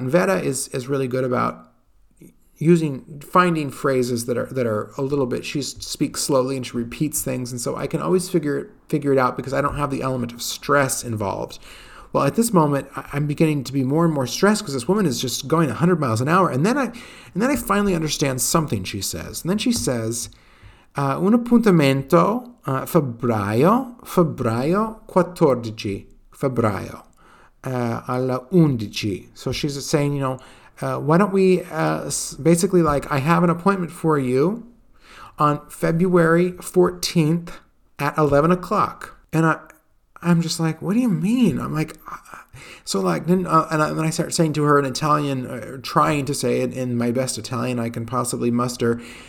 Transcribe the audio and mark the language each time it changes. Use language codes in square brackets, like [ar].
[en] And Vera is really good about finding phrases that are a little bit, she speaks slowly and she repeats things. And so I can always figure it out, because I don't have the element of stress involved. well, at this moment, I'm beginning to be more and more stressed because this woman is just going 100 miles an hour. And then I finally understand something she says. And then she says, [it] un appuntamento febbraio 14, febbraio, alla 11. [en] So she's saying, you know, why don't we, basically, like, I have an appointment for you on February 14th at 11 o'clock. And I'm just like, what do you mean? I'm like, so like, then I start saying to her in Italian, trying to say it in my best Italian I can possibly muster.